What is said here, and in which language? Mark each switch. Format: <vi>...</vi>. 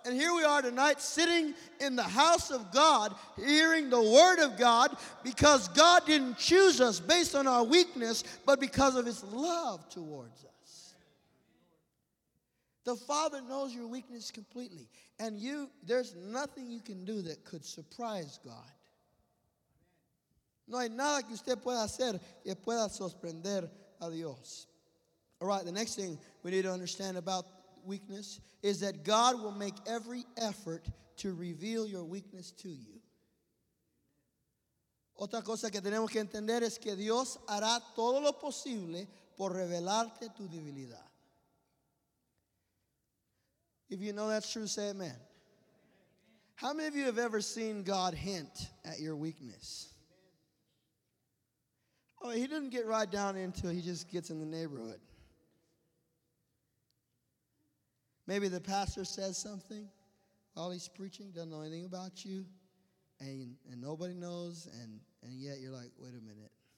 <en>And here we are tonight sitting in the house of God, hearing the word of God, because God didn't choose us based on our weakness, but because of his love towards us. The Father knows your weakness completely. And there's nothing you can do that could surprise God.</en> <es>No hay nada que usted pueda hacer que pueda sorprender a Dios.</es> <en>All right, the next thing we need to understand about weakness is that God will make every effort to reveal your weakness to you.</en> <es>Otra cosa que tenemos que entender es que Dios hará todo lo posible por revelarte tu debilidad.</es> <en>If you know that's true, say amen. How many of you have ever seen God hint at your weakness? Oh, he didn't get right down into it. He just gets in the neighborhood. Maybe the pastor says something while he's preaching, doesn't know anything about you, and nobody knows, and yet you're like, wait a minute.</en>